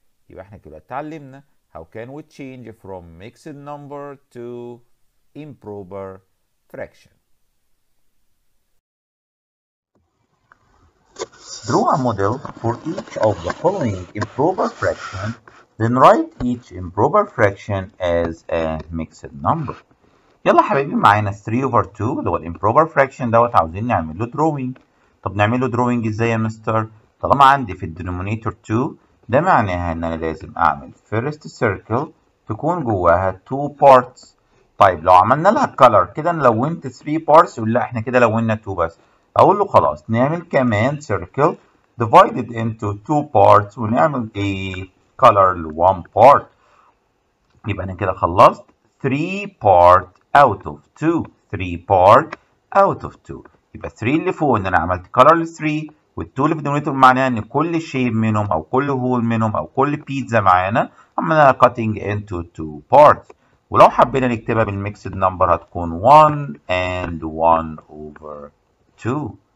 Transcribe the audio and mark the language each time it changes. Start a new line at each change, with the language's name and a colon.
Arabic: يبقى احنا كده اتعلمنا
English: how can we change from mixed number to improper fraction Draw a model for each of the following improper fractions, then write each improper fraction as a mixed number.
Arabic: يلا حبيبي معانا 3 over 2 اللي هو الامبروبر فراكشن دوت عاوزين نعمل له drawing. طب نعمل له drawing ازاي يا مستر؟ طالما عندي في الدينومينيتور 2 ده معناها ان انا لازم اعمل
English: first circle
Arabic: تكون جواها
English: 2 parts.
Arabic: طيب لو عملنا لها color كده انا لونت 3 parts ولا احنا كده لوننا 2 بس. اقول له خلاص نعمل كمان
English: circle divided into two parts
Arabic: ونعمل a color one part يبقى انا كده خلصت
English: three part out of two three part out of two
Arabic: يبقى three اللي فوق
English: ان انا عملت color three والtwo اللي في denominator معناها ان كل shape منهم او كل hole منهم او كل pizza معانا عملناها cutting into two parts ولو حبينا نكتبها بالmixed number هتكون one and one over 2